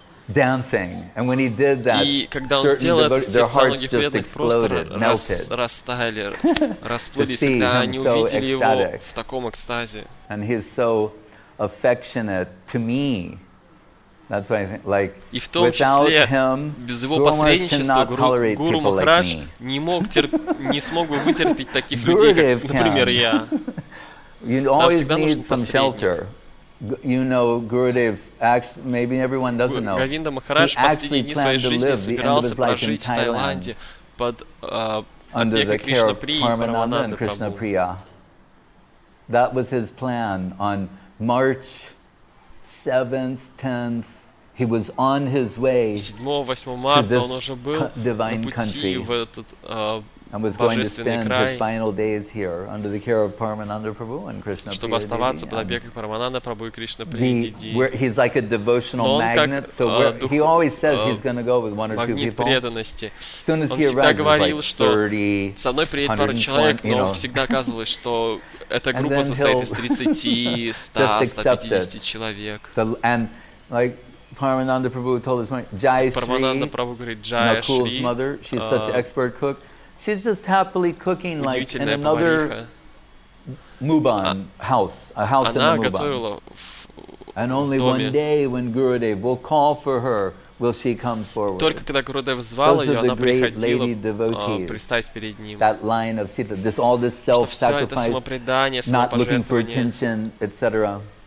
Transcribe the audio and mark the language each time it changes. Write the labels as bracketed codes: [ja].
[en] Dancing, and when he did that, certain devotees, their hearts just exploded, melted. [ru] Растаяли, расплылись, [en] to see him so ecstatic, and he's so affectionate to me. That's why, like, without him, Guru Maharaj cannot tolerate people like me. [ru] Не мог не смог бы вытерпеть таких людей, как, например, я. [en] You always need some shelter. You know, Gurudev's actually, maybe everyone doesn't know, Govinda Maharaj he actually planned to live the end of his life in Thailand under the care of Paramananda and Krishna Priya. That was his plan. On March 7th, 10th, he was on his way to this divine country. and was going to spend his final days here under the care of Paramananda Prabhu and Krishna Priya. [ru] Чтобы оставаться под опекой Парамананда Прабху и Кришна Прияди. [en] He's like a devotional magnet, so he always says he's going to go with one or two people. [ru] Он всегда говорил, что с одной приедет пара человек, но всегда оказывалось, что эта группа состоит из 30-150 человек. [en] And like Paramananda Prabhu told his mother, Jai Shri, Nakul's mother, she's such an expert cook. She's just happily cooking like in another Muban house, a house in the Muban. And only one day when Gurudev will call for her, will she come forward. [ru] Только когда Гурудев звал её, она приходила предстать перед ним. [en] That line of Sita, this all this self-sacrifice, not looking for attention, etc.